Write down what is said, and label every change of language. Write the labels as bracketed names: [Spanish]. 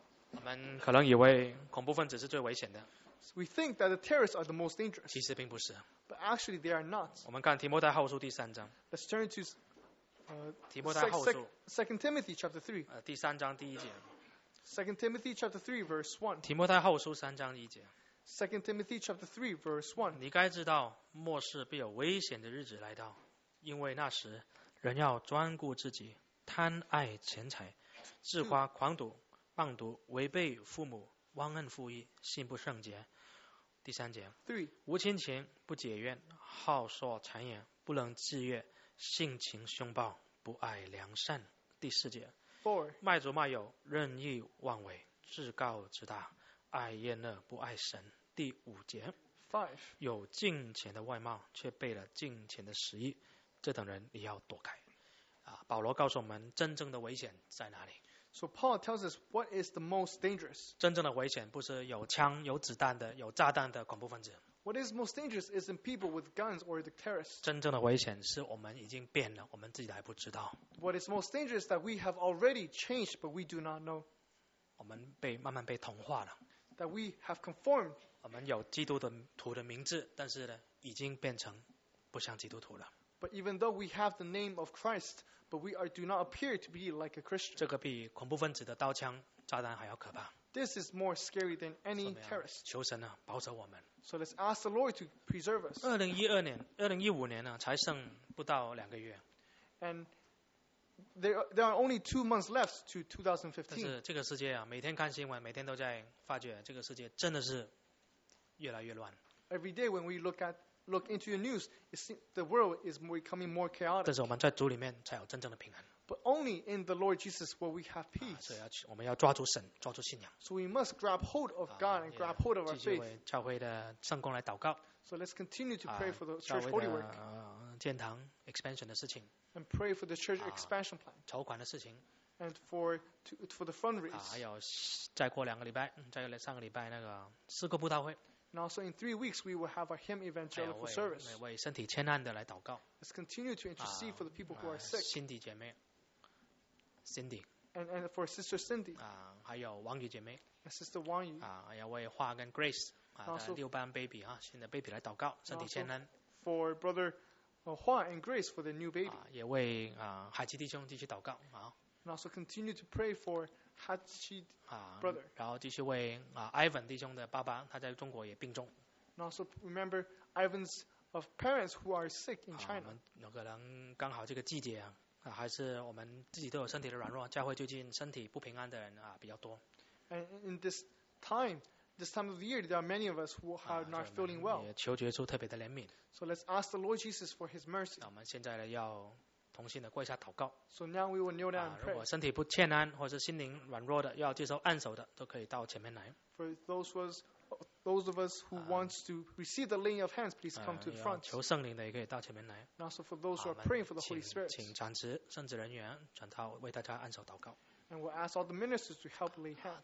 [Chinese] 我们可能以为恐怖分子是最危险的。 [English] We think that the terrorists are the most dangerous. [Chinese] 其实并不是。 [English] But actually, they are not. [Chinese] 我们看提摩太后书第三章。 [English] Let's turn to [Chinese] 提摩太后书。 [English] Second Timothy chapter three. [Chinese] 第三章第一节。 [English] Second Timothy chapter three verse one. [Chinese] 提摩太后书三章第一节。 [English] Second Timothy chapter three verse one. [Chinese] 你该知道末世必有危险的日子来到，因为那时人要专顾自己，贪爱钱财。自夸狂赌妄读违背父母忘恩负义心不圣洁第三节无亲情不解怨好说谗言不能自悦性情凶暴不爱良善第四节卖主卖友任意妄为自告自大爱厌乐不爱神第五节有敬虔的外貌却背了敬虔的实意这等人你要躲开保罗告诉我们真正的危险在哪里 [English] So Paul tells us what is the most dangerous [Chinese] 真正的危险不是有枪有子弹的有炸弹的恐怖分子 [English] What is most dangerous isn't people with guns or the terrorists [Chinese] 真正的危险是我们已经变了我们自己还不知道 [English] What is most dangerous that we have already changed but we do not know [Chinese] 我们被慢慢被同化了 [English] That we have conformed [Chinese] 我们有基督徒的名字但是呢已经变成不像基督徒了 [English] But even though we have the name of Christ, but we are, do not appear to be like a Christian. [Chinese] 这个比恐怖分子的刀枪炸弹还要可怕。 [English] This is more scary than any terrorist. [Chinese] 求神啊，保守我们。 [English] So let's ask the Lord to preserve us. [Chinese] 2015年呢，才剩不到两个月。 [English] And there are only 2 months left to 2015. [Chinese] 但是这个世界啊，每天看新闻，每天都在发觉这个世界真的是越来越乱。 [English] Every day when we look into your news, the world is becoming more chaotic. [Chinese] 但是我们在主里面才有真正的平安。 [English] But only in the Lord Jesus will we have peace. [Chinese] 所以我们要抓住神，抓住信仰。 [English] So we must grab hold of God and grab hold of our faith. [Chinese] 继续为教会的圣工来祷告。 [English] So let's continue to pray for the church holy work. [Chinese] 建堂 expansion 的事情。 [English] And pray for the church expansion plan. [Chinese] 筹款的事情。 [English] And for the fundraise. [Chinese] 还有再过两个礼拜，再过上个礼拜那个诗歌布道会。 [English] And also in 3 weeks, we will have a hymn evangelical service. [Chinese] 为身体欠安的来祷告。 [English] Let's continue to intercede for the people who are sick. [Chinese] Cindy 姐妹 ，Cindy. [English] And for Sister Cindy. [Chinese] 还有王宇姐妹 [English] ，And Sister Wang Yu. [Chinese] 要为华跟 Grace 的六班 baby 新的 baby 来祷告，身体欠安。 [English] For Brother Hua and Grace for the new baby. [Chinese] 也为海奇弟兄继续祷告。 [English] And also continue to pray for. Hatchid brother. [Chinese] 然后继续为Ivan 弟兄的爸爸，他在中国也病重。 [English] And also remember Ivan's of parents who are sick in China. [Chinese] 有可能刚好这个季节还是我们自己都有身体的软弱，教会最近身体不平安的人比较多。 [English] And in this time of the year, there are many of us who are not feeling well. [Chinese] 也求主耶稣特别的怜悯。 [English] So let's ask the Lord Jesus for His mercy. [Chinese] 我们现在要。同心的跪下祷告。 [English] So now we will kneel down and pray. [Chinese] 如果身体不欠安，或是心灵软弱的，要接受按手的，都可以到前面来。 [English] For those of us who wants to receive the laying of hands, please come to the front. [Chinese] 求圣灵的也可以到前面来。 [English] Now, so for those who are praying for the Holy Spirit, [Chinese] 请长执、圣职人员、传道为大家按手祷告。 [English] And we'll ask all the ministers to help lay hands.